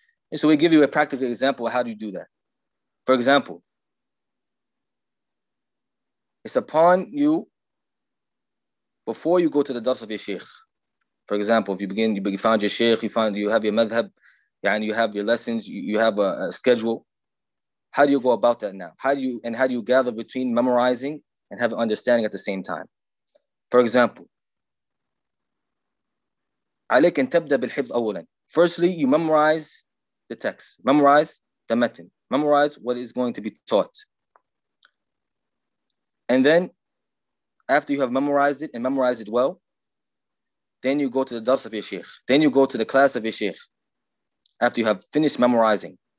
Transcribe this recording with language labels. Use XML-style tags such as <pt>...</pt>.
<en>And so we give you a practical example of how do you do that. For example, it's upon you before you go to the dars of your sheikh. For example, if you begin, you found your sheikh, you have your madhab, and you have your lessons, you have a schedule. How do you go about that now? How do you gather between memorizing and having understanding at the same time? For example,</en> <ar>عليك أن تبدأ بالحفظ أولا.</ar> <en>Firstly, you memorize the text. Memorize the matin. Memorize what is going to be taught. And then, after you have memorized it and memorized it well, then you go to the dars of your sheikh. Then you go to the class of your sheikh. After you have finished memorizing.</en>